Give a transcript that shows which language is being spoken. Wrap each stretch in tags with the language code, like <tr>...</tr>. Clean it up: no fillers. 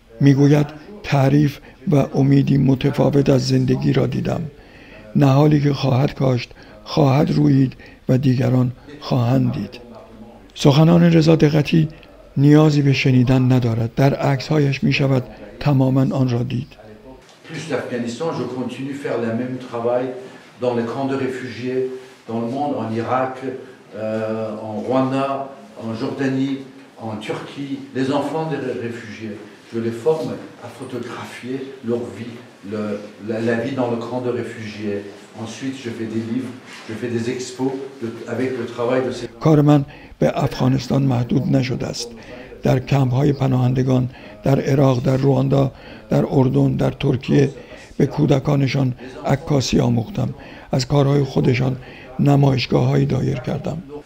<fa>میگوید تعریف و امیدی متفاوت از زندگی را دیدم. نهالی که خواهد کاشت خواهد رویید و دیگران خواهند دید. سخنان رضا دقتی نیازی به شنیدن ندارد. در عکس‌هایش می‌شود تماما آن را دید.</fa> <fr>Plus d'Afghanistan, je continue faire le même travail dans les camps de réfugiés dans le monde, en Irak, en Rwanda, en Jordanie, en Turquie, les enfants des réfugiés. Je les forme à photographier leur vie, la vie dans le camp de réfugiés. Ensuite, je fais des livres, je fais des expos avec le travail de ces</fr> <fa>Corman به افغانستان محدود نشده است. در کمپ های پناهندگان، در عراق، در رواندا، در اردن، در ترکیه به کودکانشان عکاسی آموختم. از کارهای خودشان نمایشگاه هایی دایر کردم.</fa>